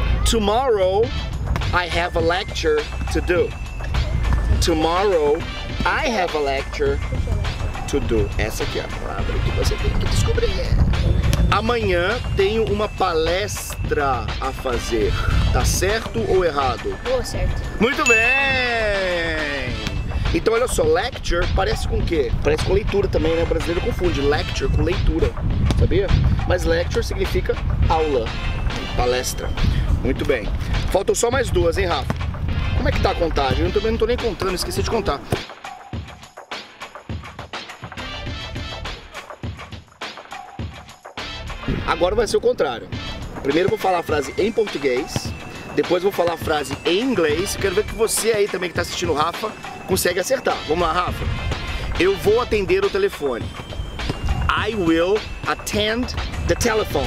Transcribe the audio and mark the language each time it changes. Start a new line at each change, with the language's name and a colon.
English: Tomorrow I have a lecture to do. Tomorrow I have a lecture to do.
Portuguese: Essa aqui é a palavra que você tem que descobrir. Amanhã tenho uma palestra a fazer. Tá certo ou errado? Boa, certo. Muito bem! Então, olha só, lecture parece com o quê? Parece com leitura também, né? O brasileiro confunde lecture com leitura, sabia? Mas lecture significa aula, palestra. Muito bem. Faltam só mais duas, hein, Rafa? Como é que tá a contagem? Eu também não tô nem contando, esqueci de contar. Agora vai ser o contrário. Primeiro eu vou falar a frase em português, Depois eu vou falar a frase em inglês. Quero ver que você aí também que tá assistindo o Rafa consegue acertar. Vamos lá, Rafa. Eu vou atender o telefone.
English: I will attend the telephone.